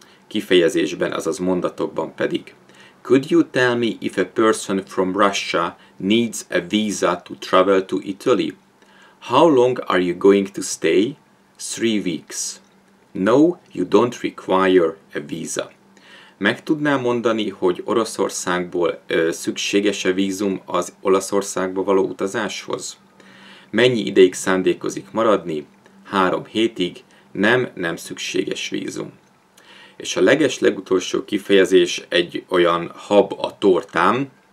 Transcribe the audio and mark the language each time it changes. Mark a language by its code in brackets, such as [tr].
[hu] Kifejezésben, azaz mondatokban pedig. [en] Could you tell me if a person from Russia needs a visa to travel to Italy? How long are you going to stay? 3 weeks. No, you don't require a visa. [hu] Meg tudnám mondani, hogy Oroszországból szükséges-e vízum az Olaszországba való utazáshoz? Mennyi ideig szándékozik maradni? 3 hétig. Nem szükséges vízum. És a legutolsó kifejezés egy olyan hab a tortám.